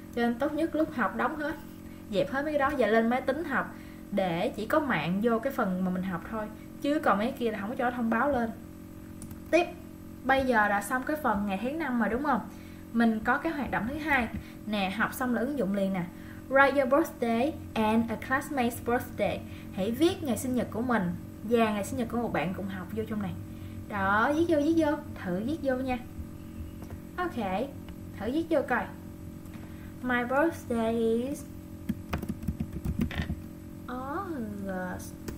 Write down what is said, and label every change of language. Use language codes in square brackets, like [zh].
[vi] Cho nên tốt nhất lúc học đóng hết, dẹp hết mấy cái đó và lên máy tính học, để chỉ có mạng vô cái phần mà mình học thôi, chứ còn mấy kia là không có cho thông báo lên. Tiếp, bây giờ đã xong cái phần ngày tháng năm rồi đúng không? Mình có cái hoạt động thứ hai nè, học xong là ứng dụng liền nè. [en] Write your birthday and a classmate's birthday. [vi] Hãy viết ngày sinh nhật của mình và ngày sinh nhật của một bạn cùng học vô trong này. Đó, viết vô, viết vô. Thử viết vô nha. Ok, thử viết vô coi. [en] My birthday is August.